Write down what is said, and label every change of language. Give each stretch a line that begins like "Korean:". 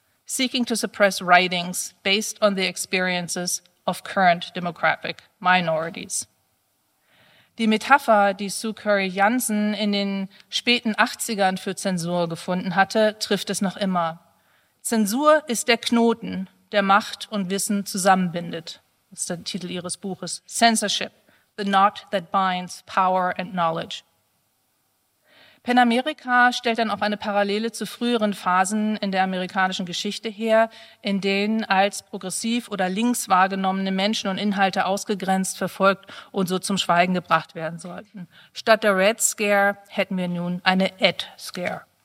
English: seeking to suppress writings based on the experiences of current demographic minorities.
German: Die Metapher, die Sue Curry Jansen in den späten 80ern für Zensur gefunden hatte, trifft es noch immer. Zensur ist der Knoten, der Macht und Wissen zusammenbindet. Das ist der Titel ihres Buches.
English: Censorship, the knot that binds power and knowledge.
German: PenAmerica stellt dann auch eine Parallele zu früheren Phasen in der amerikanischen Geschichte her, in denen als progressiv oder links wahrgenommene Menschen und Inhalte ausgegrenzt, verfolgt und so zum Schweigen gebracht werden sollten. Statt der Red Scare hätten wir nun eine Ed Scare.